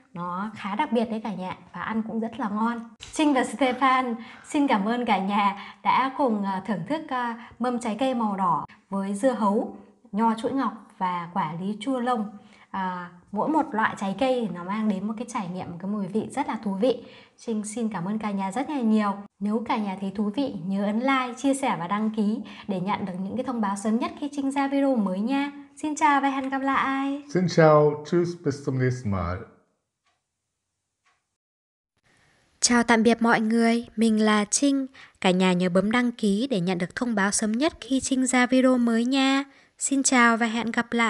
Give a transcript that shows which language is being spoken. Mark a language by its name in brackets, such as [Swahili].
[Vietnamese] Nó khá đặc biệt đấy cả nhà và ăn cũng rất là ngon. Trinh và Stefan xin cảm ơn cả nhà đã cùng thưởng thức mâm trái cây màu đỏ với dưa hấu, nho chuỗi ngọc và quả lý chua lông. Mỗi một loại trái cây thì nó mang đến một cái trải nghiệm, một cái mùi vị rất là thú vị. Trinh xin cảm ơn cả nhà rất là nhiều. Nếu cả nhà thấy thú vị, nhớ ấn like, chia sẻ và đăng ký để nhận được những cái thông báo sớm nhất khi Trinh ra video mới nha. Xin chào và hẹn gặp lại. Xin chào, [German] tschüss, bis zum nächsten Mal. [Vietnamese] Chào tạm biệt mọi người, mình là Trinh. Cả nhà nhớ bấm đăng ký để nhận được thông báo sớm nhất khi Trinh ra video mới nha. Xin chào và hẹn gặp lại.